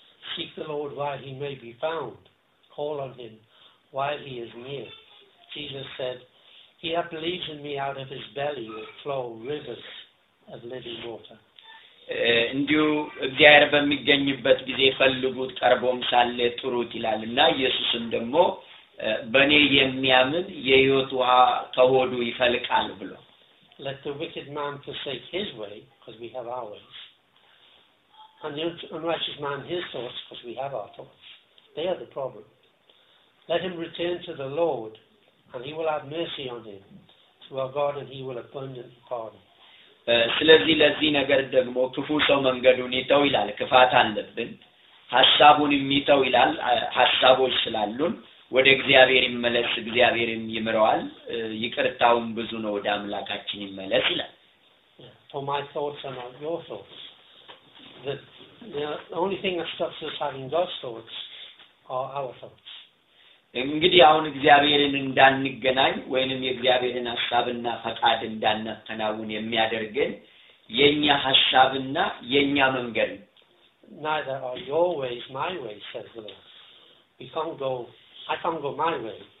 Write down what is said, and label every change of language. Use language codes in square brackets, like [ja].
[en] seek the Lord while he may be found call on him while he is near Jesus said he that believes in me out of his belly will flow rivers of living water [am] እንዲሁ እግዚአብሔር በሚገኝበት ጊዜ ፈልጉት ቀርቦም ሳለ ጥሩት ይላልና ኢየሱስም ደግሞ በኔ የሚያምን የህይወት ውሃ ከሆዱ ይፈልቃል ብሎ [en] Let the wicked man forsake his way because we have ours and the unrighteous man his thoughts because we have our thoughts they are the problem Let him return to the Lord and he will have mercy on him to our God and he will abundantly pardon [am] ስለዚህ ለዚህ ነገር ደግሞ ክፉ ሰው መንገዱን ይተው ይላል ክፋት አለብን ሐሳቡን የሚተው ይላል ሐሳቦች ስላሉን ወደ እግዚአብሔር ይመለስ እግዚአብሔርም ይምረዋል ይቅርታውም ብዙ ነው ወደ አምላካችን ይመለስ ይላል [en] For my thoughts are not your thoughts the only thing that stops us having God's thoughts are our thoughts [am] እንግዲህ አሁን እግዚአብሔርን እንዳንገናኝ ወይንም የእግዚአብሔርን ሐሳብና ፈቃድ እንዳናከናውን የሚያደርገን የኛ ሐሳብና የኛ መንገድ [en] Neither are your ways my ways says the Lord. We can't go I can't go my way.